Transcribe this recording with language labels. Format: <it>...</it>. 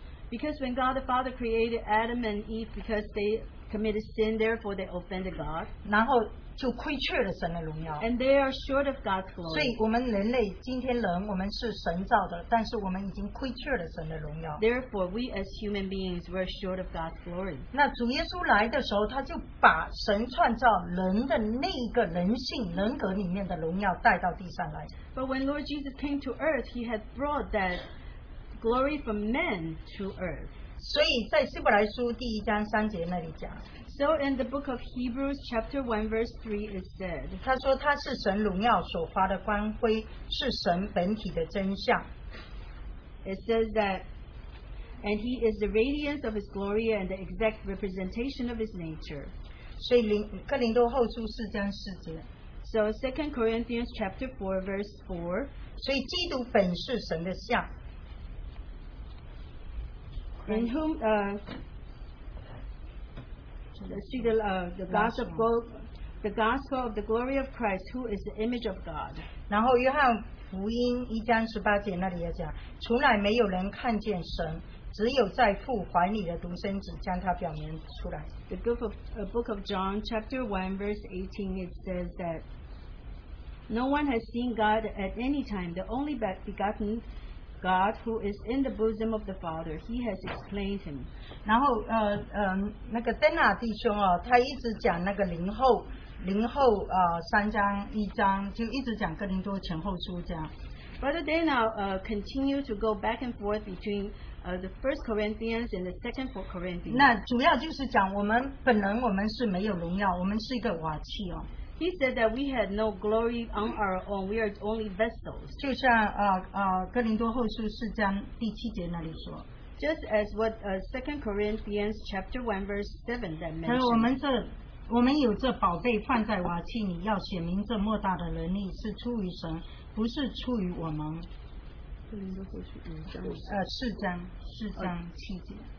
<en>Because when God the Father created Adam and Eve, because they committed sin, therefore they offended God.</en> <zh>就亏缺了神的荣耀,</zh> <en>and they are short of God's glory.</en> <zh>所以我们人类今天人, 我们是神造的, 但是我们已经亏缺了神的荣耀。</zh> <en>Therefore, we as human beings were short of God's glory.</en> <zh>那主耶稣来的时候, 他就把神创造人的那个人性, 人格里面的荣耀带到地上来。</zh> <en>But when Lord Jesus came to earth, he had brought that glory from men to earth.</en> <zh>所以在希伯来书第一章三节那里讲,</zh> <en>so in the book of Hebrews chapter 1 verse 3 it said,</en> <zh>他说他是神荣耀所发的光辉, 是神本体的真相,</zh> <en>it says that, and he is the radiance of his glory and the exact representation of his nature.</en> <zh>所以哥林多后书四章四节,</zh> <en>so 2 Corinthians chapter 4 verse 4,</en> <zh>所以基督本是神的像,</zh> <en>in whom the gospel of the glory of Christ, who is the image of God.</en> <zh>然后约翰福音一章十八节那里也讲, 从来没有人看见神, 只有在父怀里的独生子将他表明出来。</zh> <en>The book of John chapter 1 verse 18 it says that no one has seen God at any time, the only begotten God who is in the bosom of the Father, he has explained him.</en> <zh>然后那个Dana弟兄哦, 他一直讲那个灵后, 灵后, 三章一章, 就一直讲哥林多前后书这样。</zh> <en>Brother Dana continue to go back and forth between the First Corinthians and the Second Corinthians.</en> <zh>那主要就是讲我们本能我们是没有荣耀，我们是一个瓦器哦。</zh> <en>He said that we had no glory on our own. We are only vessels.</en> <zh>就像哥林多后书四章第七节那里说。</zh> <en>Just as what Second Corinthians chapter 1 verse 7 that mentioned.</en> <zh>我们有这宝贝放在瓦器里，要显明这莫大的能力是出于神。不是出于我们, 四章七节。</zh>